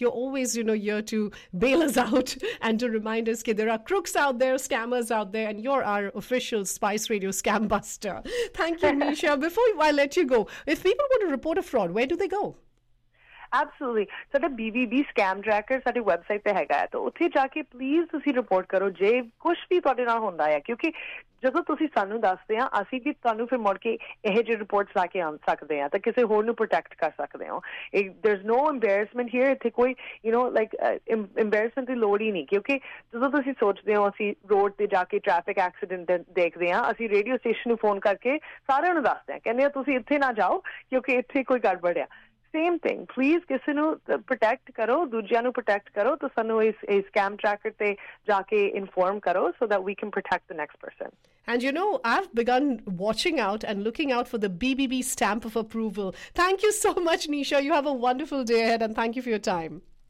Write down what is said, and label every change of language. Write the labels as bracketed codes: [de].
[en] You're always, you know, here to bail us out and to remind us that there are crooks out there, scammers out there, and you're our official Spice Radio scam buster. Thank you, Neesha. Before I let you go, if people want to report a fraud, where do they go? Absolutely. So the BVB scam tracker is on our website. So go there, please report it. If anything is going on, because [pa] ਜਦੋਂ ਤੁਸੀਂ ਸਾਨੂੰ ਦੱਸਦੇ ਹਾਂ, ਅਸੀਂ ਵੀ ਤੁਹਾਨੂੰ ਫਿਰ ਮੁੜ ਕੇ ਇਹੋ ਜਿਹੇ ਰਿਪੋਰਟਸ ਲਾ ਕੇ ਆ ਸਕਦੇ ਹਾਂ ਤਾਂ ਕਿਸੇ ਹੋਰ ਨੂੰ ਪ੍ਰੋਟੈਕਟ ਕਰ ਸਕਦੇ ਹੋ. [en] there is no embarrassment here, [pa] ਇੱਥੇ ਕੋਈ ਯੂ ਨੋ ਲਾਈਕ ਇੰਬੈਰਸਮੈਂਟ ਦੀ ਲੋੜ ਹੀ ਨਹੀਂ, ਕਿਉਂਕਿ ਜਦੋਂ ਤੁਸੀਂ ਸੋਚਦੇ ਹੋ ਅਸੀਂ ਰੋਡ 'ਤੇ ਜਾ ਕੇ ਟ੍ਰੈਫਿਕ ਐਕਸੀਡੈਂਟ ਦੇਖਦੇ ਹਾਂ, ਅਸੀਂ ਰੇਡੀਓ ਸਟੇਸ਼ਨ ਨੂੰ ਫੋਨ ਕਰਕੇ ਸਾਰਿਆਂ ਨੂੰ ਦੱਸਦੇ ਹਾਂ, ਕਹਿੰਦੇ ਹਾਂ ਤੁਸੀਂ ਇੱਥੇ ਨਾ ਜਾਓ ਕਿਉਂਕਿ ਇੱਥੇ ਕੋਈ ਗੜਬੜ ਆ. [en] same thing, [pa] ਪਲੀਜ਼ ਕਿਸੇ ਨੂੰ ਪ੍ਰੋਟੈਕਟ ਕਰੋ, ਦੂਜਿਆਂ ਨੂੰ ਪ੍ਰੋਟੈਕਟ ਕਰੋ, ਤਾਂ ਸਾਨੂੰ ਇਸ ਸਕੈਮ ਟ੍ਰੈਕਰ 'ਤੇ ਜਾ ਕੇ ਇਨਫੋਰਮ ਕਰੋ, [en] So that we can protect the next person. And you know, I've begun watching out and looking out for the BBB stamp of approval. Thank you so much, Neesha. You have a wonderful day ahead and thank you for your time.